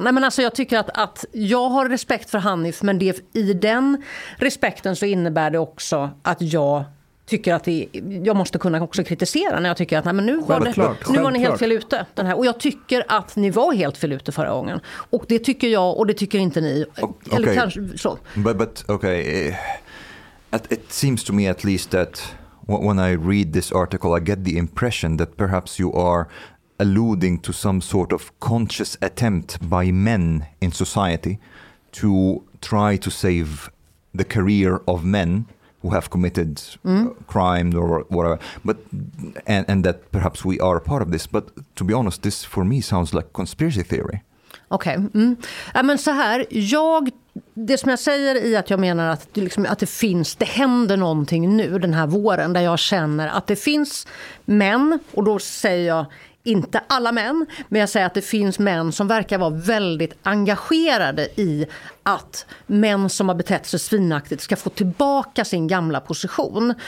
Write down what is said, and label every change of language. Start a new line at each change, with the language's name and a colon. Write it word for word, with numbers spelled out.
Swedish: Nej, men alltså jag tycker att, att jag har respekt för Hanif, men det, i den respekten så innebär det också att jag tycker att det, jag måste kunna också kritisera när jag tycker att nej, men nu, var det, nu var ni helt fel ute. Den här. Och jag tycker att ni var helt fel ute förra gången. Och det tycker jag och det tycker inte ni.
English: Okay.
Swedish: Eller kanske så.
English: But, but okay. It, it seems to me at least that when I read this article, I get the impression that perhaps you are alluding to some sort of conscious attempt by men in society to try to save the career of men who have committed mm. uh, crime or whatever. But and, and that perhaps we are part of this. But to be honest, this for me sounds like conspiracy theory.
Swedish: Okej. Okay. Mm. Ja, men så här, jag... Det som jag säger i att jag menar att det, liksom, att det finns, det händer någonting nu den här våren där jag känner att det finns män, och då säger jag inte alla män, men jag säger att det finns män som verkar vara väldigt engagerade i att män som har betett sig svinaktigt ska få tillbaka sin gamla position.